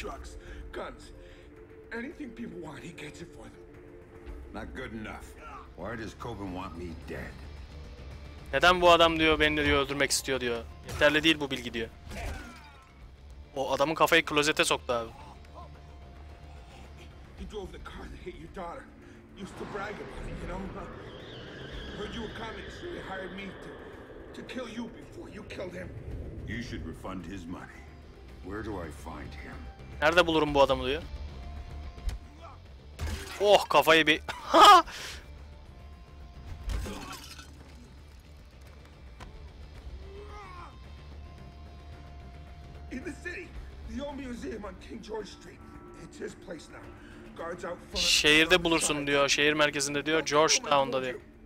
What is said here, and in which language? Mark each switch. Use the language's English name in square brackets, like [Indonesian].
[English] Trucks, guns, anything people want, he gets it for them. Not good enough. Why does Colbin want me dead? [Turkish] Neden bu adam diyor beni diyor öldürmek istiyor diyor. Yeterli değil bu bilgi diyor. O adamın kafayı klozete soktu abi. [English] He drove the car that hit your daughter. Used to brag about it, you know? Heard you were coming, so he hired me to kill you before you killed him. You should refund his money. Where do I find him? [Turkish] Nerede bulurum bu adamı diyor. Oh, kafayı bir... [English] In the city, the old museum on King George Street. It's his place now. [Turkish] Şehirde bulursun diyor, şehir merkezinde diyor, Georgetown'da diyor.